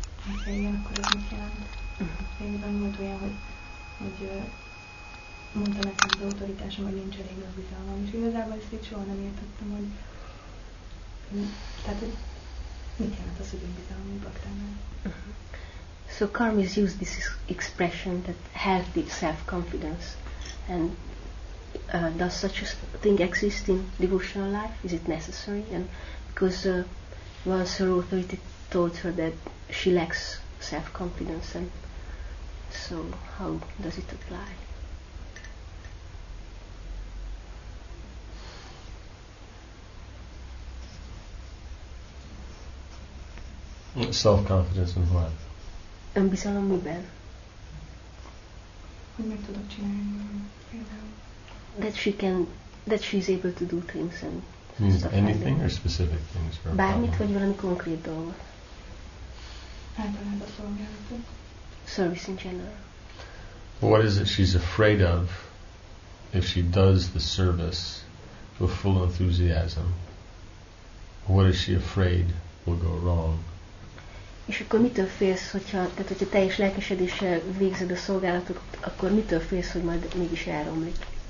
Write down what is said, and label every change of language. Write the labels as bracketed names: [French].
[Hungarian] Hogyha igen, akkor ez mit jelent? Régiben volt olyan, hogy mondta nekem az autoritásom, hogy nincs elég önbizalmam, és igazából ezt így soha nem értettem, hogy... Tehát, hogy mit jelent az, hogy önbizalom egy baktánál? [English] So karmis use this expression that healthy self-confidence, and does such a thing exist in devotional life? Is it necessary? And because once her authority told her that she lacks self-confidence, and so how does it apply? Self-confidence in what? [Hungarian] Önbizalom miben? Hogy meg tudok csinálni. [English] That she can, that she is able to do things and stuff. Anything like or specific things? For [Hungarian] bármit, vagy valami konkrét dolgot. Általában szolgálatok. [English] Service in general. What is it she's afraid of if she does the service with full enthusiasm? What is she afraid will go wrong? [Hungarian] És akkor mitől félsz, hogyha, tehát hogyha teljes lelkesedéssel végzed a szolgálatot, akkor mitől félsz, hogy majd mégis elromlik?